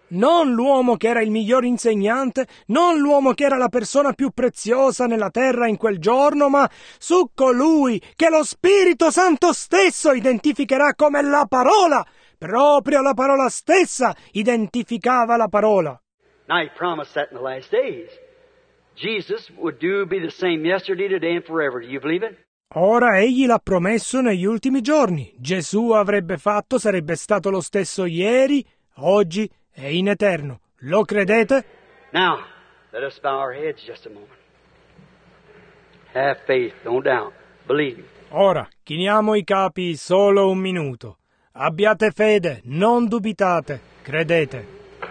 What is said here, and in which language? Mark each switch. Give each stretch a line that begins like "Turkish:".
Italian: Non l'uomo che era il miglior insegnante, non l'uomo che era la persona più preziosa nella terra in quel giorno, ma su colui che lo Spirito Santo stesso identificherà come la parola. Proprio la parola stessa identificava la parola.
English: Now he promised that in the last days. Jesus would do be the same yesterday, today and forever. Do you believe it?
Italian: Ora egli l'ha promesso negli ultimi giorni. Gesù avrebbe fatto, sarebbe stato lo stesso ieri, oggi e in eterno. Lo credete?
English: Now, let us bow our heads just a moment. Have faith, don't doubt. Believe.
Italian: Ora, chiniamo i capi solo un minuto. Abbiate fede, non dubitate, credete.